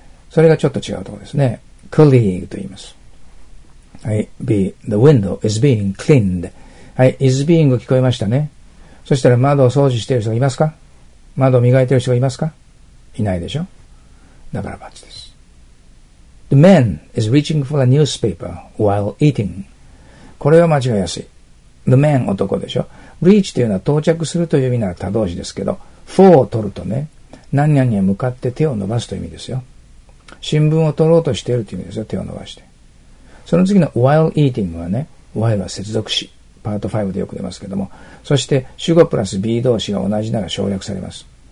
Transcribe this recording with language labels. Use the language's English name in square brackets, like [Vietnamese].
[Japanese] それがちょっと違うところですね。クリーグと言います。 [English] はい。Be, the window is being cleaned. はい。 [Japanese] is being 聞こえましたね。そしたら、窓を掃除している人がいますか？窓を磨いている人がいますか？いないでしょ？だからバッチです。 [English] The man is reaching for a newspaper while eating. [Japanese] これは間違いやすい。The man 男でしょ。 reach というのは到着するという意味なら他動詞ですけど、for を取るとね、何々に向かって手を伸ばすという意味ですよ。新聞を取ろうとしているという意味ですよ。手を伸ばして。その次の while eating はね、while は接続詞。パート5でよく出ますけども、そして主語プラス be 動詞が同じなら省略されます。